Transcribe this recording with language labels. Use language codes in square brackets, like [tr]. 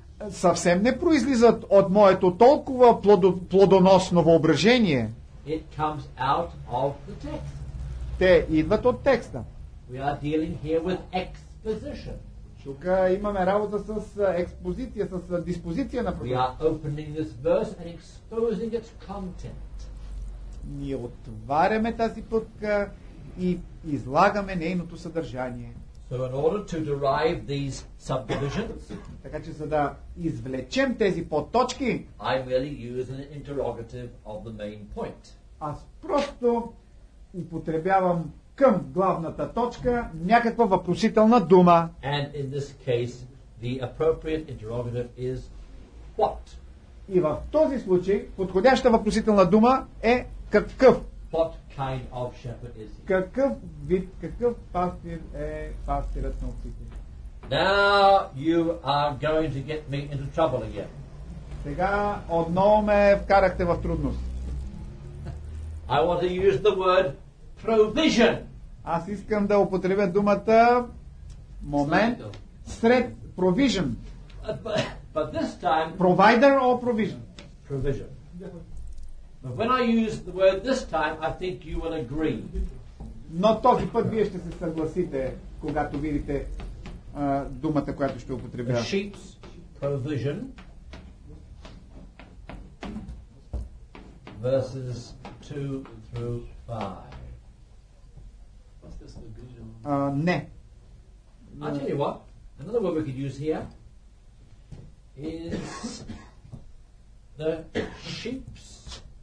[bg] Съвсем не произлизат от моето толкова плодоносно въображение. [en] It comes out of the text. [bg] Те идват от текста. [en] We are dealing here with exposition. [bg] Тук имаме работа с експозиция, с диспозиция на [en] проповед. We are opening this verse and exposing its content. [bg] Ние отваряме тази пътка и излагаме нейното съдържание. [en] So in order to derive these subdivisions, [bg] така че за да извлечем тези подточки, [en] I really use an interrogative of the main point. [bg] Аз просто употребявам към главната точка някаква въпросителна дума. [en] And in this case, the appropriate interrogative is what? [bg] И в този случай подходяща въпросителна дума е какъв? [en] What kind of shepherd is he? [bg] Какъв вид, какъв пастир е пастирът на овците? [en] Now you are going to get me into trouble again. [bg] Сега отново ме вкарахте в трудност. [en] I want to use the word provision. [bg] Аз искам да употребя думата момент, сред, provision. [en] But this time, provider or provision? Provision. But when I use the word this time, I think you will agree. [bg] Но този път вие ще се съгласите, когато видите думата, която ще употребя. [en] The sheep's provision verses 2 through 5. What's this provision? [bg] Не. [en] I'll tell you what. Another word we could use here is the sheep's.